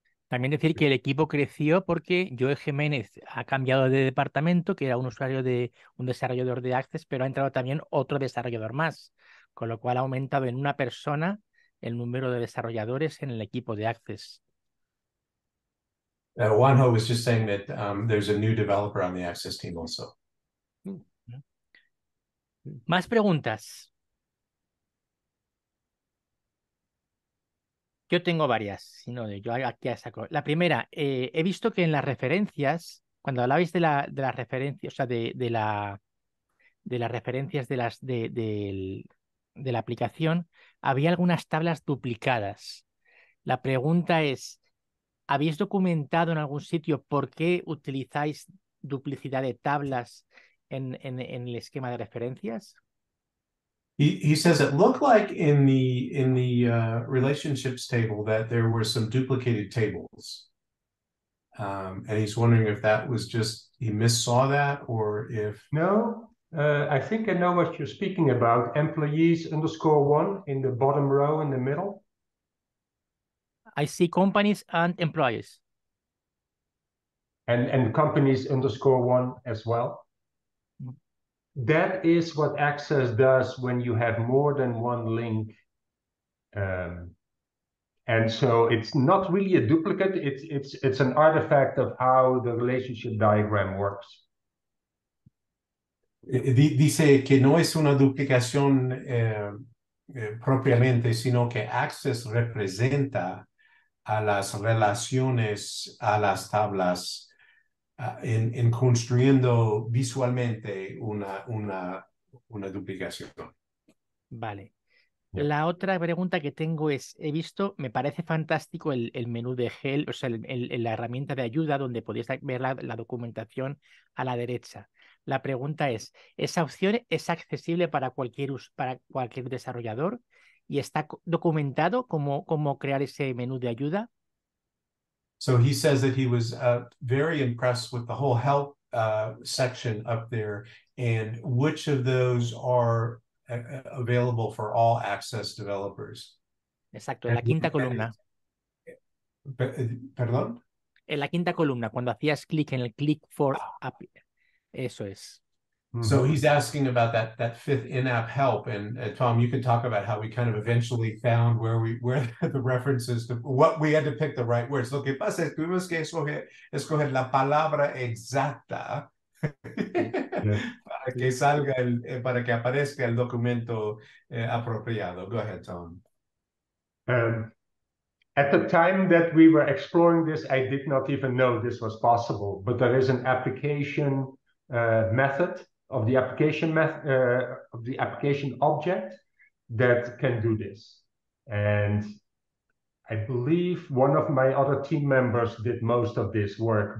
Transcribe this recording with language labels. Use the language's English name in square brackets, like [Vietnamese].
[Spanish] También decir que el equipo creció porque Joe Jiménez ha cambiado de departamento, que era un desarrollador de Access, pero ha entrado también otro desarrollador más, con lo cual ha aumentado en una persona el número de desarrolladores en el equipo de Access. [English] Juanjo was just saying that there's a new developer on the Access team also. [Spanish] Más preguntas. Yo tengo varias, sino de yo aquí saco. La primera, he visto que en las referencias, cuando hablabais de las referencias, o sea, de las referencias de la aplicación, había algunas tablas duplicadas. La pregunta es: ¿habéis documentado en algún sitio por qué utilizáis duplicidad de tablas en el esquema de referencias? [English] He says it looked like in the relationships table that there were some duplicated tables. And he's wondering if that was just he missaw that or if... No, I think I know what you're speaking about. Employees underscore one in the bottom row in the middle. I see companies and employees. And companies underscore one as well. That is what Access does when you have more than one link. And so it's not really a duplicate. It's an artifact of how the relationship diagram works. [Spanish] Dice que no es una duplicación propiamente, sino que Access representa a las relaciones, a las tablas, en construyendo visualmente una duplicación. Vale. La otra pregunta que tengo es, he visto, me parece fantástico el menú de help, o sea, la herramienta de ayuda donde podéis ver la documentación a la derecha. La pregunta es, ¿esa opción es accesible para cualquier desarrollador y está documentado cómo crear ese menú de ayuda? [English] So he says that he was very impressed with the whole help section up there and which of those are available for all Access developers. [Spanish] Exacto, en la quinta columna. Perdón? En la quinta columna, cuando hacías clic en el [English] click for app. [Spanish] Eso es. [English] So he's asking about that fifth in-app help, and Tom, you can talk about how we kind of eventually found where the references to what we had to pick the right words. [Spanish] Lo que pasa es que tuvimos que escoger la palabra exacta para que salga para que aparezca el documento apropiado. [English] Go ahead, Tom. At the time that we were exploring this, I did not even know this was possible, but there is an application method. Of the application of the application object that can do this, and I believe one of my other team members did most of this work.